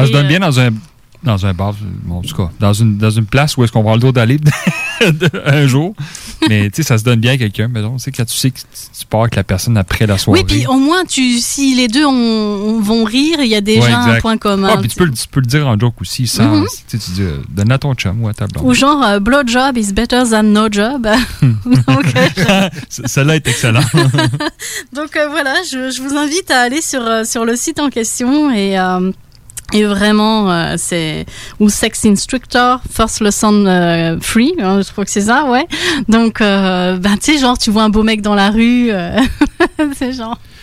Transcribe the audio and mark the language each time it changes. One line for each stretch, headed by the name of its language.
French: Ça se donne bien dans un bar, bon, en tout cas, dans une place où est-ce qu'on va le dos d'aller un jour. Mais tu sais, ça se donne bien à quelqu'un. Mais donc, quand tu sais que tu pars avec la personne après la soirée. Oui, puis au moins, si les deux vont rire, il y a déjà un point commun. Ah, puis tu peux le dire en joke aussi, sans. Mm-hmm. Tu dis, donne à ton chum ou à ta blonde. Ou genre,
English: blowjob is better than no job.
French: Donc, celle-là est excellente. Donc voilà, je vous invite à aller sur le site en question et. Et vraiment, c'est ou Sex Instructor, First Lesson Free, hein, je crois que c'est ça, ouais. Donc, ben, tu sais, genre, tu vois un beau mec dans la rue, c'est genre.